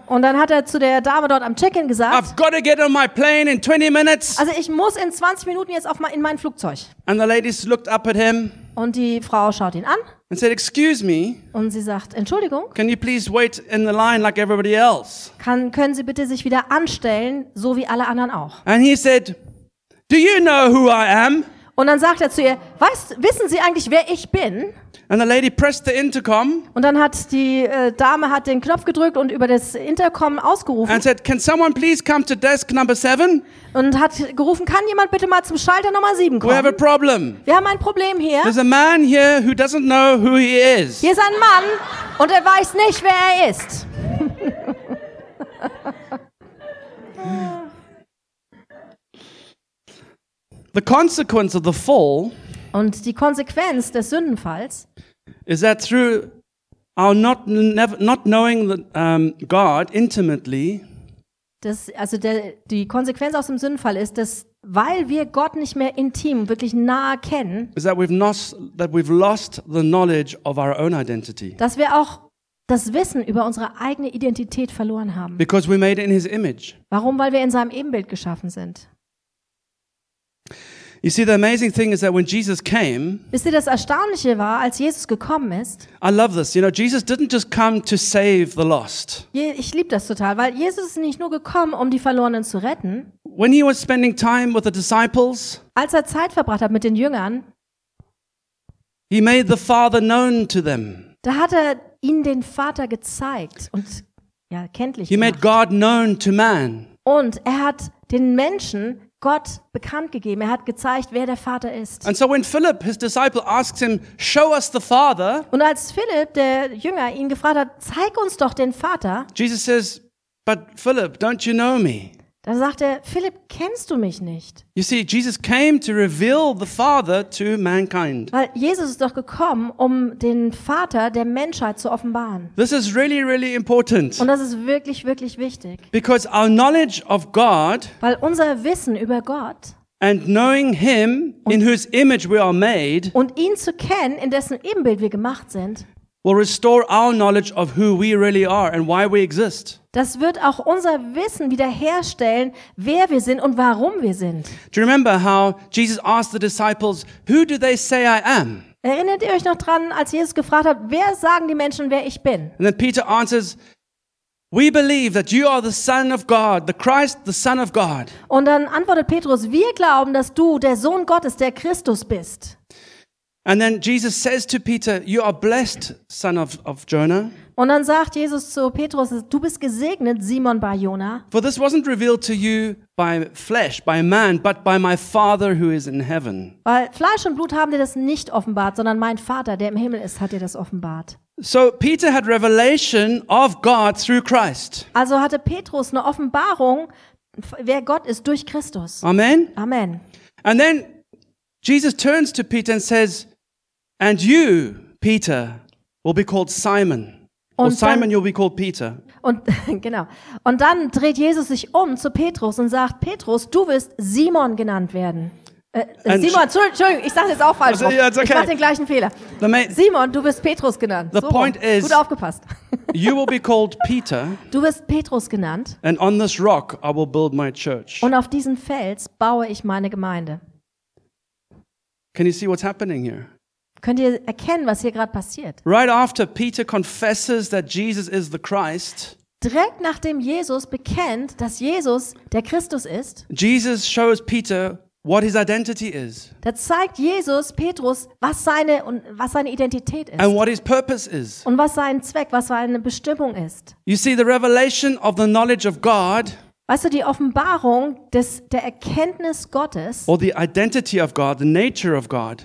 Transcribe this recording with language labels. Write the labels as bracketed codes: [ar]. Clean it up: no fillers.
[de] Und dann hat er zu der Dame dort am Check-in gesagt. [en] I've got to get on my plane in 20 minutes. [de] Also ich muss in 20 Minuten jetzt in mein Flugzeug. [en] And the lady looked up at him. [de] Und die Frau schaut ihn an. [en] And said, excuse me. [de] Und sie sagt, Entschuldigung. [en] Can you please wait in the line like everybody else? [de] Können Sie bitte sich wieder anstellen, so wie alle anderen auch? [en] And he said, do you know who I am? [de] Und dann sagt er zu ihr, wissen Sie eigentlich, wer ich bin? [en] And the lady pressed the intercom. [de] Und dann hat die Dame hat den Knopf gedrückt und über das Intercom ausgerufen. [en] And said, can someone please come to desk number 7? [de] Und hat gerufen, kann jemand bitte mal zum Schalter Nummer 7 kommen? [en] We have a problem. [de] Wir haben ein Problem hier. [en] There's a man here who doesn't know who he is. [de] Hier ist ein Mann und er weiß nicht, wer er ist. [en] The consequence of the fall. [de] Und die Konsequenz des Sündenfalls [en] is that through our not knowing God intimately, [de] das, also der, die Konsequenz aus dem Sündenfall ist, dass Weil wir Gott nicht mehr intim, wirklich nah kennen, [en] is that we've lost the knowledge of our own identity. [de] Dass wir auch das Wissen über unsere eigene Identität verloren haben. [en] Because we made in his image. [de] Warum? Weil wir in seinem Ebenbild geschaffen sind. [en] You see, the amazing thing is that when Jesus came. [de] Wisst ihr, das Erstaunliche war, als Jesus gekommen ist. [en] I love this. You know, Jesus didn't just come to save the lost. [de] Ich liebe das total, weil Jesus ist nicht nur gekommen, um die Verlorenen zu retten. [en] When he was spending time with the disciples. [de] Als er Zeit verbracht hat mit den Jüngern. [en] He made the Father known to them. [de] Da hat er ihnen den Vater gezeigt und ja kenntlich [en] gemacht. He made God known to man. [de] Und er hat den Menschen Gott bekannt gegeben. Er hat gezeigt, wer der Vater ist. [en] And so when Philip, his disciple, asks him, "Show us the Father." [de] Und als Philip, der Jünger, ihn gefragt hat, zeig uns doch den Vater. [en] Jesus says, "But Philip, don't you know me?" [de] Dann sagt er, Philip, kennst du mich nicht? [en] You see, Jesus came to reveal the Father to mankind. [de] Weil Jesus ist doch gekommen, um den Vater der Menschheit zu offenbaren. [en] This is really, really important. [de] Und das ist wirklich, wirklich wichtig. [en] Because our knowledge of God. [de] Weil unser Wissen über Gott. [en] And knowing him, in whose image we are made. [de] Und ihn zu kennen, in dessen Ebenbild wir gemacht sind. [en] Will restore our knowledge of who we really are and why we exist. [de] Das wird auch unser Wissen wiederherstellen, wer wir sind und warum wir sind. [en] Do you remember how Jesus asked the disciples, "Who do they say I am?" [de] Erinnert ihr euch noch dran, als Jesus gefragt hat, wer sagen die Menschen, wer ich bin? [en] And then Peter answers, "We believe that you are the Son of God, the Christ, the Son of God." [de] Und dann antwortet Petrus, wir glauben, dass du der Sohn Gottes, der Christus bist. [en] And then Jesus says to Peter, "You are blessed, son of Jonah." [de] Und dann sagt Jesus zu Petrus, du bist gesegnet, Simon bar Jona. [en] "For this wasn't revealed to you by flesh, by man, but by my Father who is in heaven." [de] Weil Fleisch und Blut haben dir das nicht offenbart, sondern mein Vater, der im Himmel ist, hat dir das offenbart. [en] So Peter had revelation of God through Christ. [de] Also hatte Petrus eine Offenbarung, wer Gott ist durch Christus. [en] Amen. [de] Amen. [en] And then Jesus turns to Peter and says, "And you, Peter, will be called Simon." [de] Und [en] or Simon, you'll be called Peter. [de] Und genau. Und dann dreht Jesus sich um zu Petrus und sagt, Petrus, du wirst Simon genannt werden. Simon, Entschuldigung, ich sage jetzt auch falsch. Also, okay. Ich mache den gleichen Fehler. Simon, du wirst Petrus genannt. [en] The so point is, [de] gut aufgepasst. [en] You will be called Peter. [de] Du wirst Petrus genannt. [en] And on this rock I will build my church. [de] Und auf diesen Fels baue ich meine Gemeinde. [en] Can you see what's happening here? [de] Könnt ihr erkennen, was hier gerade passiert? [en] Right after Peter confesses that Jesus is the Christ. [de] Direkt nachdem Jesus bekennt, dass Jesus der Christus ist. [en] Jesus shows Peter what his identity is. [de] Da zeigt Jesus Petrus, was seine Identität ist. [en] And what his purpose is. [de] Und was sein Zweck, was seine Bestimmung ist. [en] You see the revelation of the knowledge of God. [de] Weißt du, die Offenbarung der Erkenntnis Gottes [en] or the identity of God, the nature of God,